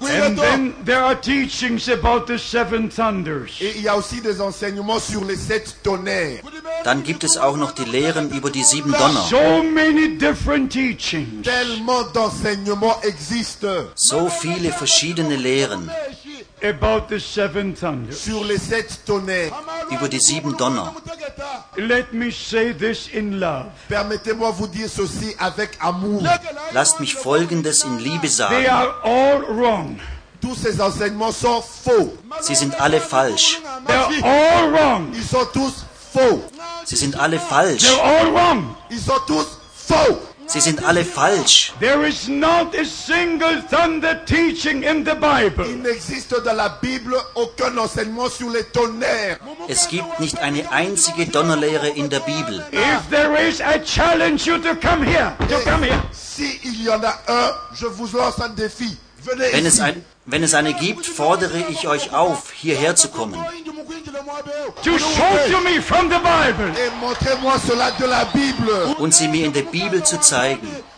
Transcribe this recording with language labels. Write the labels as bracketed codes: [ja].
[en] And then there are teachings about the seven thunders. [fr] Et il y a aussi des enseignements sur les sept tonnerres. [de] Dann gibt es auch noch die Lehren über die sieben Donner. [en] So many different teachings. [fr] Tellement d'enseignements existent. [de] So viele verschiedene Lehren. [en] About the seven thunders. [fr] Sur les sept tonnerres. [de] Über die sieben Donner. [en] Let me say this in love. [fr] Permettez-moi vous dire ceci avec amour. [de] Lasst mich Folgendes in Liebe sagen. [en] They are all wrong. [fr] Tous ces enseignements sont faux. [de] Sie sind alle falsch. [en] They are all wrong. [fr] Ils sont tous faux. [de] Sie sind alle falsch. [en] They are all wrong. [fr] Ils sont tous faux. [de] Sie sind alle falsch. [en] There is not a single thunder teaching in the Bible. [fr] Il n'existe dans la Bible aucun enseignement sur les tonnerres. [de] Es gibt nicht eine einzige Donnerlehre in der Bibel. [en] If there is, I challenge you to come here. To come here. [fr] Si il y en a un, je vous lance un défi. Venez. [de] Wenn es eine gibt, fordere ich euch auf, hierher zu kommen. [en] To show to me from the Bible. [fr] Et montrez-moi cela de la Bible. [de] Und sie mir in der Bibel zu zeigen.